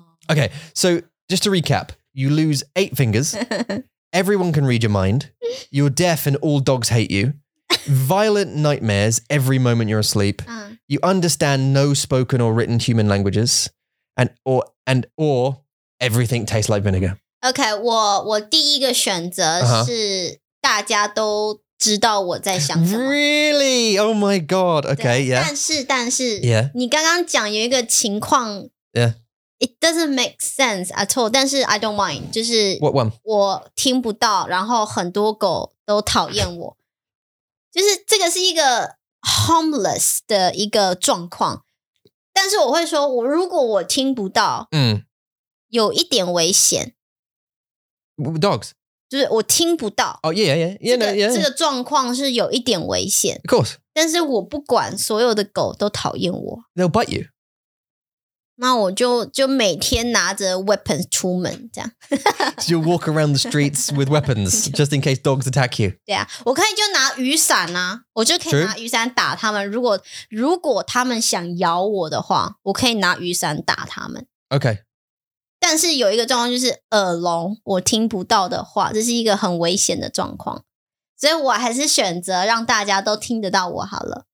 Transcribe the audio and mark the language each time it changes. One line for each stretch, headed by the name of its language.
English: Okay, so just to recap, you lose eight fingers. Everyone can read your mind. You're deaf and all dogs hate you. Violent nightmares every moment you're asleep. You understand no spoken or written human languages. And everything tastes like vinegar.
Chinese: Okay, 我第一个选择是大家都知道我在想什么。
English: Really? Oh my god. Okay, 对, yeah.
Chinese: 但是,
English: yeah.
Chinese: 你刚刚讲有一个情况,
English: yeah. It doesn't make sense at all,
Chinese: 但是
English: I don't mind.
Chinese: 就是
English: What one?
Chinese: 我听不到, 然后很多狗都讨厌我。就是这个是一个 homeless 的一个状况, 但是我会说, 如果我听不到, 有一点危险。
English: Dogs?
Chinese: 就是我听不到,
English: oh, yeah, yeah, yeah, 这个, yeah.
Chinese: 这个状况是有一点危险。
English: Of course.
Chinese: 但是我不管所有的狗都讨厌我。
English: They'll bite you.
Chinese: 那我就每天拿着 weapons 出门这样。
English: So you'll walk around the streets with weapons just in case dogs attack you.
Chinese: 对啊，我可以就拿雨伞啊，我就可以拿雨伞打他们。如果他们想咬我的话，我可以拿雨伞打他们。Okay. 但是有一个状况就是耳聋，我听不到的话，这是一个很危险的状况，所以我还是选择让大家都听得到我好了。